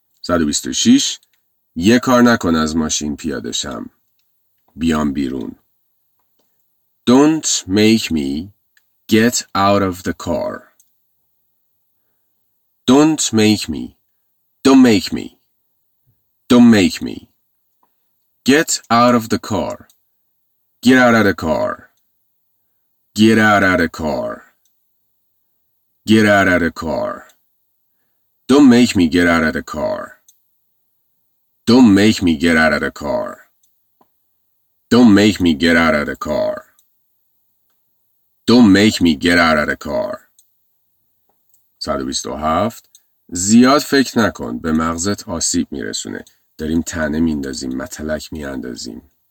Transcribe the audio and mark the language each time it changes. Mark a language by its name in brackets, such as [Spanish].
[Persian] 126، یه کار نکن از ماشین پیاده شم، بیام بیرون. [English] Don't make me get out of the car. Don't make me. Get out of the car. Get out of the car. Get out of the car. Get out of the car. Don't make me get out of the car. Don't make me get out of the car. Don't make me get out of the car. Don't make me get out of the car. [Persian] 127، زیاد فکر نکن، به مغزت آسیب میرسونه. داریم تنه میندازیم، متلک میاندازیم.